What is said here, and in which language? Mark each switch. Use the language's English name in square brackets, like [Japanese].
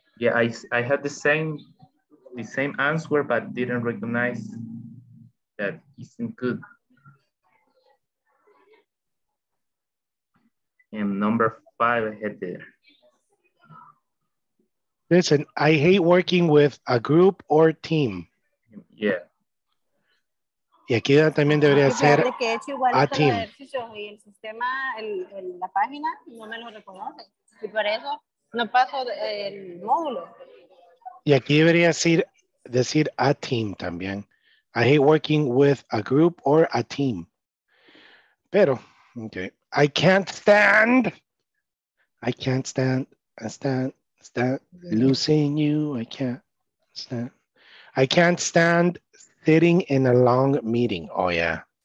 [English] Yeah, I had the same answer, but didn't recognize that isn't good. And number five, I had there. Listen, I hate working with a group or team. Yeah. [Spanish] Y aquí también debería ser a team. Que hecho igual el ejercicio y el sistema, la página, no me lo reconoce. Y por eso no paso el módulo. Y aquí debería decir a team también. [English] I hate working with a group or a team. Pero, okay. I can't stand losing you. I can't stand sitting in a long meeting. Oh yeah.